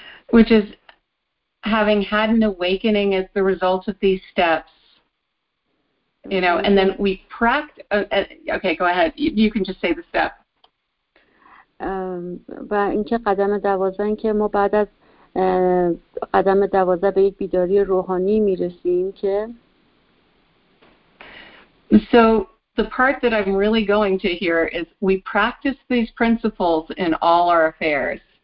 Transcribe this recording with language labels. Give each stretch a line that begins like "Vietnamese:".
English: Which is having had an awakening as the result of these steps. You know, and then we practice. Okay, go ahead. You can just say the step.
Persian: و اینکه قدم دوازده که ما بعد از قدم دوازده به یک بیداری روحانی میرسیم که.
English: So the part that I'm really going to hear is we practice these principles in all our affairs.